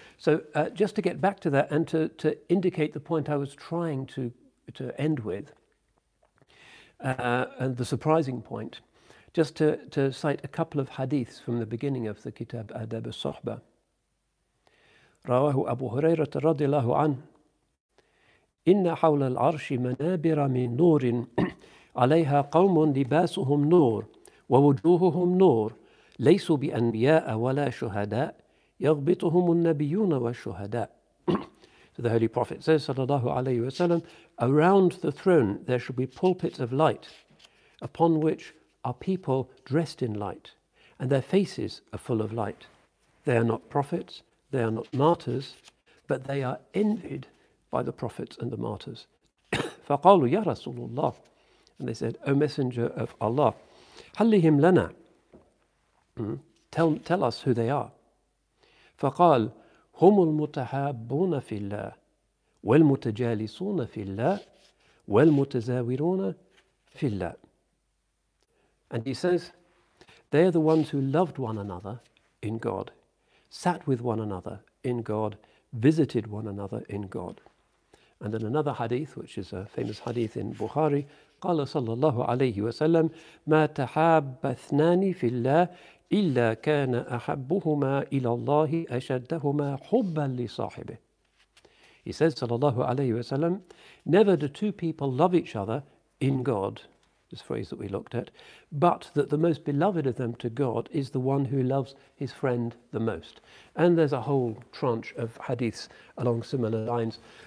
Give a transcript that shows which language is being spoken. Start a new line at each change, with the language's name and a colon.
English: So just to get back to that and to indicate the point I was trying to end with, and the surprising point, just to cite a couple of hadiths from the beginning of the Kitab Adab al-Sohba.
Arabic: Rawahu Abu Huraira radiallahu anhu. إن حول العرش منابر من نور عليها قوم لباسهم نور ووجوههم نور ليسوا بأنبياء ولا شهداء يغبطهم النبيون والشهداء.
English: So the Holy Prophet says,
Arabic: sallallahu alayhi wa sallam,
English: around the throne there shall be pulpits of light, upon which are people dressed in light, and their faces are full of light. They are not prophets, they are not martyrs, but they are envied by the prophets and the martyrs.
Arabic: فَقَالُوا يَا رَسُولُ اللَّهِ.
English: And they said, O Messenger of Allah,
Arabic: حَلِّهِمْ لَنَا.
English: Tell us who they are.
Arabic: فَقَالْ هُمُ الْمُتَحَابُّونَ فِي اللَّهِ وَالْمُتَجَالِسُونَ فِي اللَّهِ وَالْمُتَزَاوِرُونَ فِي اللَّهِ.
English: And he says, they are the ones who loved one another in God, sat with one another in God, visited one another in God. And then another hadith, which is a famous hadith in Bukhari,
Arabic: قَالَ صَلَّى اللَّهُ عَلَيْهِ وَسَلَّمْ مَا تَحَابَّ اثْنَانِ فِي اللَّهِ إِلَّا كَانَ أَحَبُّهُمَا إِلَى اللَّهِ أَشَدَّهُمَا حُبًّا لِصَاحِبِهِ.
English: He says,
Arabic: صلى الله عليه وسلم,
English: never do two people love each other in God, this phrase that we looked at, but that the most beloved of them to God is the one who loves his friend the most. And there's a whole tranche of hadiths along similar lines.